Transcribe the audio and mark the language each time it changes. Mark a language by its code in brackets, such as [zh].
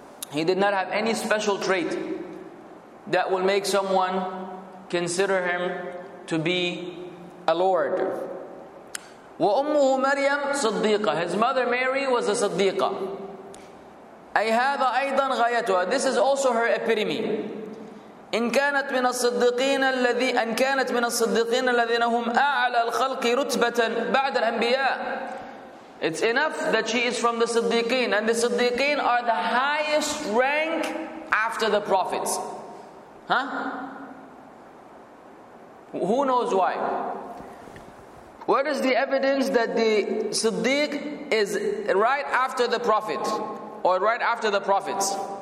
[en] He did not have any special trait that will make someone consider him to be a lord. [ar] وَأُمُّهُ مَرْيَمْ صَدِّيقَةً. [en] His mother Mary was a صَدِّيقَة. [ar] أي هذا أيضا غايتها. [en] This is also her epitome. [ar] إن كانت من الصديقين الذي أن كانت من الصديقين الذين هم أعلى الخلق رتبة بعد الأنبياء. [en] It's enough that she is from the Siddiqeen, and the Siddiqeen are the highest rank after the prophets. Huh? Who knows why? What is the evidence that the Siddiq is right after the prophet, or right after the prophets?